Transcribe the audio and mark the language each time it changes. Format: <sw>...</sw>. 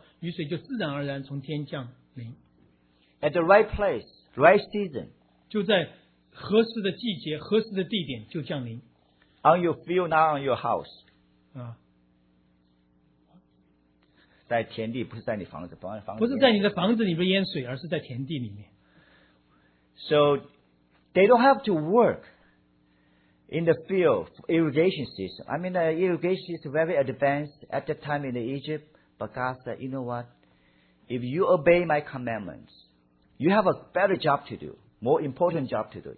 <zh>所以从天上降下来,不管什么时候你需要雨水的时候,雨水就自然而然从天降临。</zh> <en>At the right place, right season.</en> <zh>就在合适的季节,合适的地点就降临。</zh> <en>On your field, not on your house.</en> <zh>在田地,不是在你房子,不是在你的房子里面淹水,而是在田地里面。</zh> <en>So, they don't have to work in the field for irrigation system. I mean, the irrigation system is very advanced at the time in Egypt, but God said, you know what? If you obey my commandments, you have a better job to do, more important job to do.</en>